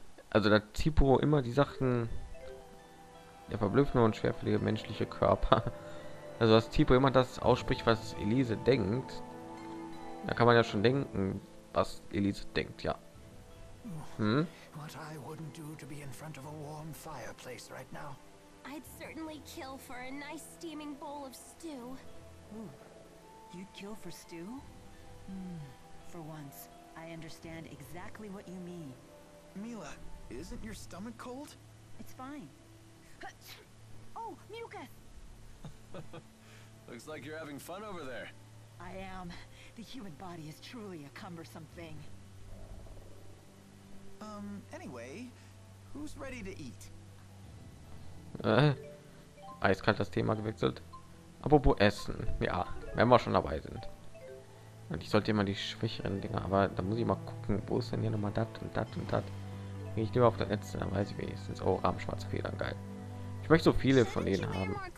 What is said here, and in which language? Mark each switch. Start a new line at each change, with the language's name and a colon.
German: Also da Tipo immer die Sachen der verblüffende und schwerfällige menschliche Körper. Also dass Tipo immer das ausspricht, was Elise denkt. Da kann man ja schon denken, was Elise denkt, ja.
English: What I wouldn't do to be in front of a warm fireplace right now. I'd certainly kill for a nice steaming bowl of stew. You'd kill for stew? For once, I understand exactly what you mean. Mila, isn't your stomach cold? It's fine. Oh, mucus! Looks like you're having fun over there. I am. The human body is truly a cumbersome thing. Anyway, who's ready to eat?
German: Eiskalt das Thema gewechselt. Apropos Essen, ja, wenn wir schon dabei sind. Und ich sollte immer die schwächeren Dinger, aber da muss ich mal gucken, wo ist denn hier nochmal das und das und das. Gehe ich lieber auf das letzte, dann weiß ich wenigstens. Oh, Rahmenschwarze Federn, geil. Ich möchte so viele von denen haben.